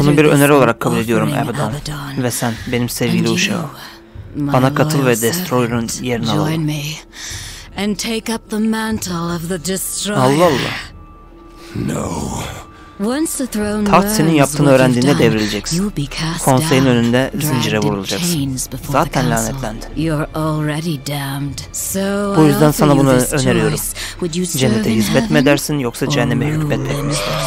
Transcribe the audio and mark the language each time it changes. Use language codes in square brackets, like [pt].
[tr] Bunu bir öneri olarak kabul ediyorum Abaddon. Ve sen benim sevgili uşağım. Bana katıl ve Destroyer'ın yerini alalım. [en] And take up the mantle of the destroyer. [tr] Allah Allah. [en] No. Once the throne learns, [tr] taht senin yaptığını öğrendiğinde devrileceksin. Konseyin önünde zincire vurulacaksın. Zaten lanetlendin. [en] You're already damned. So [tr] bu yüzden sana bunu öneriyorum. Cennete hizmet mi edersin yoksa cehenneme hükmet mi edersin?